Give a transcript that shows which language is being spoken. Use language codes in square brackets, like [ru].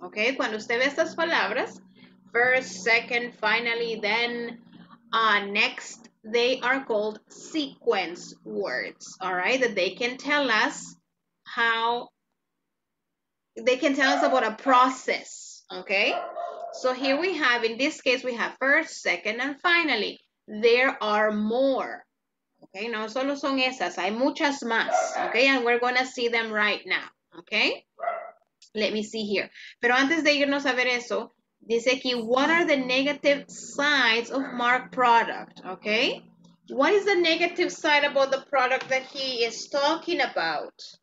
[en] Okay, [es] cuando usted ve estas palabras, [en] first, second, finally, then, next, they are called sequence words. All right, that they can tell us how, they can tell us about a process. Okay, so here we have, in this case, we have first, second, and finally. There are more. [es] Okay, no solo son esas, hay muchas más. [en] Okay, and we're gonna see them right now. Okay, let me see here. [es] Pero antes de irnos a ver eso, dice aquí, [en] what are the negative sides of Mark product? Okay, what is the negative side about the product that he is talking about?